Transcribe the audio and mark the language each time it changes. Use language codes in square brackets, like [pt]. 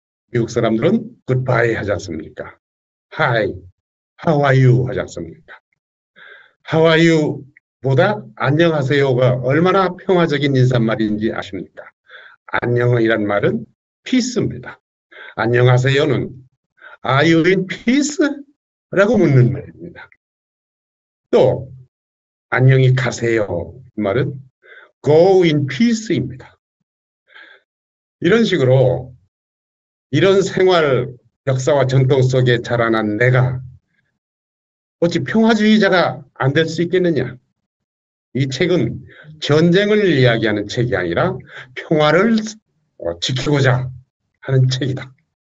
[ko] 미국 사람들은 굿바이 하지 않습니까? 하이, [en] how are you [ko] 하지 않습니까? How are you 보다 안녕하세요가 얼마나 평화적인 인사말인지 아십니까? 안녕이란 말은 peace입니다. 안녕하세요는 [en] Are you in peace? [ko] 라고 묻는 말입니다. 또, 안녕히 가세요. 말은 go in peace입니다. 이런 식으로 이런 생활 역사와 전통 속에 자라난 내가 어찌 평화주의자가 안될수 있겠느냐? 이 책은 전쟁을 이야기하는 책이 아니라 평화를 지키고자 하는 책이다.